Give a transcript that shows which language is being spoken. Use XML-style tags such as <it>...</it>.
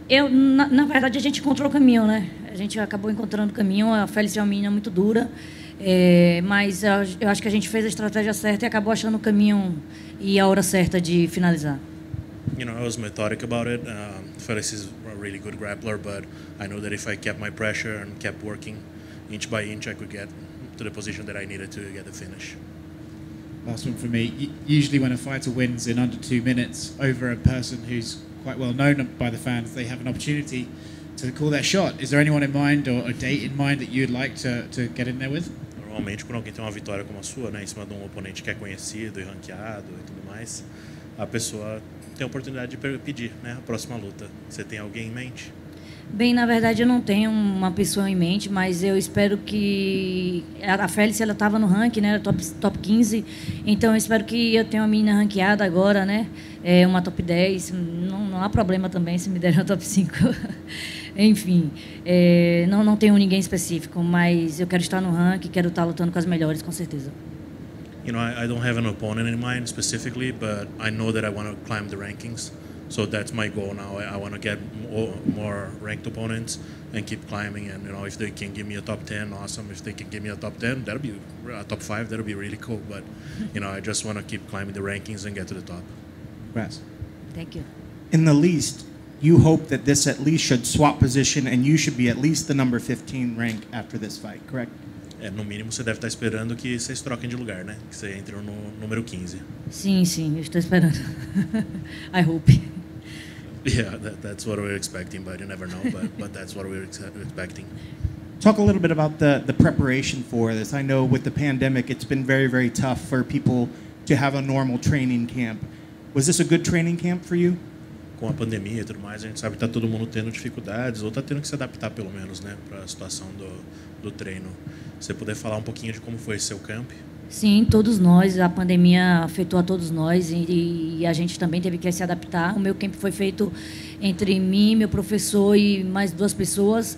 <pt>Na verdade, a gente encontrou o caminho, né? A gente acabou encontrando o caminho. A Félice é uma menina muito dura. Mas eu acho que a gente fez a estratégia certa e acabou achando o caminho e a hora certa de finalizar.</pt> <en>You know, I was methodic about it. Félice is a really good grappler, but I know that if I kept my pressure and kept working inch by inch, I could get to the position that I needed to get the finish. Last one for me. Usually when a fighter wins in under 2 minutes over a person who's quite well known by the fans, they have an opportunity to call their shot. Is there anyone in mind or a date in mind that you'd like to get in there with?</en> <pt>Normalmente quando alguém tem uma vitória como a sua, né, em cima de um oponente que é conhecido e ranqueado e tudo mais, a pessoa tem a oportunidade de pedir, né, a próxima luta. Você tem alguém em mente? Bem, na verdade, eu não tenho uma pessoa em mente, mas eu espero que... A Félice, ela estava no ranking, né? Top 15. Então, eu espero que eu tenha uma menina ranqueada agora, né? Uma top 10. Não há problema também se me der uma top 5. Enfim, não tenho ninguém específico, mas eu quero estar no ranking, quero estar lutando com as melhores, com certeza.</pt> <en>You know, I don't have an opponent in mind specifically, but I know that I want to climb the rankings. So that's my goal now. I want to get more ranked opponents and keep climbing. And you know, if they can give me a top 10, awesome. If they can give me a top 10, that'll be a top 5. That'll be really cool. But you know, I just want to keep climbing the rankings and get to the top. Congrats. Thank you. In the least, you hope that this at least should swap position and you should be at least the number 15 rank after this fight, correct?</en> <pt>No mínimo, você deve estar esperando que vocês troquem de lugar, né? Que você entre no número 15. Sim, eu estou esperando.</pt> <en>I hope. Yeah, that's what we're expecting, but you never know. But that's what we're expecting. Talk a little bit about the preparation for this. I know with the pandemic, it's been very, very tough for people to have a normal training camp. Was this a good training camp for you?</en> <pt>Com a pandemia e tudo mais, a gente sabe que está todo mundo tendo dificuldades ou está tendo que se adaptar, pelo menos, né, para a situação do treino. Você poder falar um pouquinho de como foi seu camp? Sim, todos nós. A pandemia afetou a todos nós e a gente também teve que se adaptar. O meu camp foi feito entre mim, meu professor e mais duas pessoas.</pt>